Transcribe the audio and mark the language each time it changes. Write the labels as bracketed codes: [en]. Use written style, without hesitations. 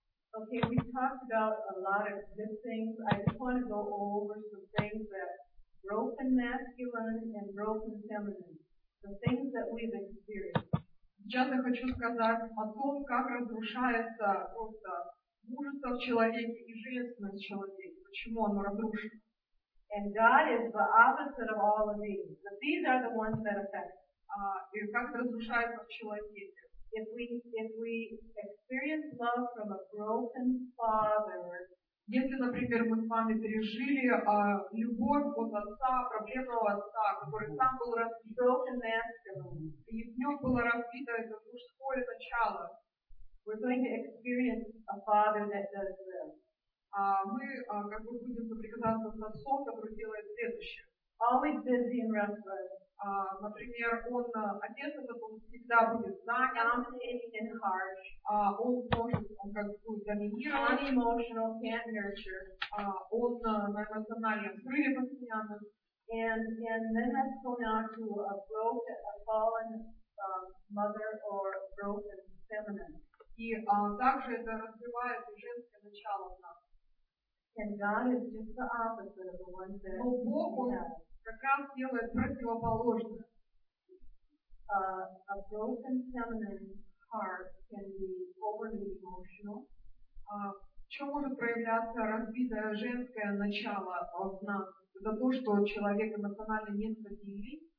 [en] Okay, we talked about a lot of good things. I just want to go over some things that broken masculine and broken feminine, the things that we've experienced. [ru] Сейчас я хочу сказать о том, как разрушается просто мужество в человеке и женственность в человеке. Почему оно разрушено? [en] And God is the opposite of all of these. But these are the ones that affect us. [ru] Как разрушается в человеке. [en] If we experience love from a broken father, [ru] если, например, мы с вами пережили любовь от отца, проблемного отца, который сам был разбит, [en] broken masculine, [ru] и в нем было разбито это мужское начало, [en] we're going to experience a father that does this. [ru] Как бы будем соприкасаться с отцом, который делает следующее. [en] Always busy and restless. [ru] Например, он отец, этот он всегда будет занят. [en] Dominating and harsh. [ru] Он может, он как бы будет доминировать. [en] Unemotional, can't nurture. [ru] Он на эмоциональном взрыве постоянно. [en] And then that's going on to a broken, a fallen mother or broken feminine. [ru] И также это развивает женское начало в нас. [en] And God is just the opposite of the ones that we have. [ru] Бог, Он как раз делает противоположное. [en] A broken feminine heart can be overly emotional. [ru] Чем может проявляться разбитое женское начало от нас? Это то, что человек эмоционально не стабилен.